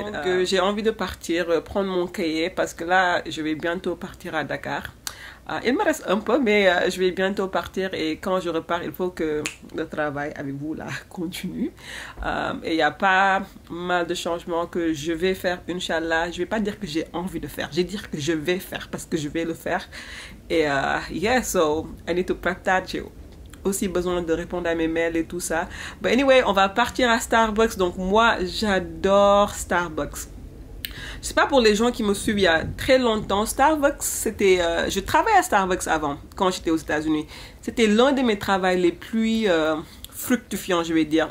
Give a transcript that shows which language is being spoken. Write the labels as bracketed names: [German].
[French] Donc, j'ai envie de partir, prendre mon cahier parce que là, je vais bientôt partir à Dakar. Il me reste un peu, mais je vais bientôt partir et quand je repars, il faut que le travail avec vous là continue. Et il n'y a pas mal de changements que je vais faire, Inch'Allah. Je ne vais pas dire que j'ai envie de faire, je vais dire que je vais faire parce que je vais le faire. [English] Et yeah, so I need to prep that. [French] J'ai aussi besoin de répondre à mes mails et tout ça. [English] But anyway, [French] on va partir à Starbucks. Donc moi, j'adore Starbucks. Je sais pas pour les gens qui me suivent il y a très longtemps, Starbucks, c'était... je travaillais à Starbucks avant, quand j'étais aux États-Unis. C'était l'un de mes travaux les plus fructifiants, je vais dire.